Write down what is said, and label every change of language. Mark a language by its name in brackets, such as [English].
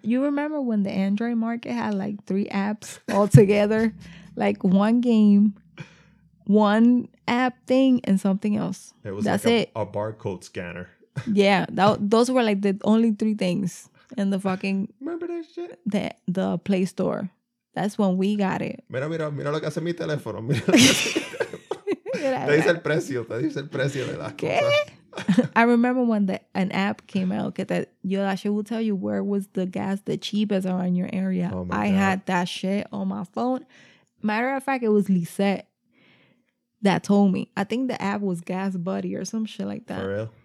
[English] You remember when the Android market had like 3 apps all together? Like one game. One app thing and something else. It was a barcode scanner. Yeah, those were like the only 3 things in the fucking... Remember that shit? The Play Store. That's when we got it. [Spanish] Mira lo que hace mi teléfono. Mira. Te dice el precio de las cosas. [English] I remember when an app came out that Yodashi will tell you where was the gas the cheapest around your area. Oh my God. I had that shit on my phone. Matter of fact, it was Lisette. That told me. I think the app was Gas Buddy or some shit like that. For real?